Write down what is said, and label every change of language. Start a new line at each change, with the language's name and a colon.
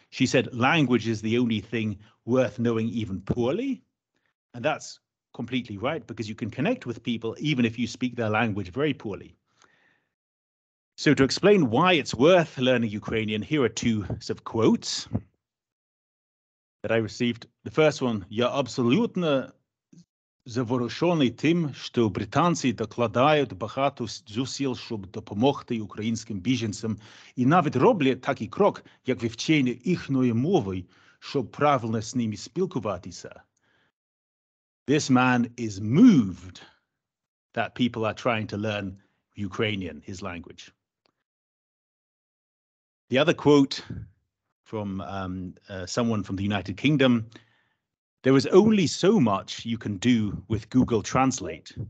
English: She said, language is the only thing worth knowing even poorly. And that's completely right, because you can connect with people even if you speak their language very poorly. So to explain why it's worth learning Ukrainian, here are two sort of quotes that I received. The first one,
Ukrainian: я абсолютно заворожений тим, що британці докладають багато зусиль, щоб допомогти українським біженцям, і навіть роблять такий крок, як вивчення їхньої мови, щоб правильно з ними спілкуватися.
English: This man is moved that people are trying to learn Ukrainian, his language. The other quote from someone from the United Kingdom, there is only so much you can do with Google Translate.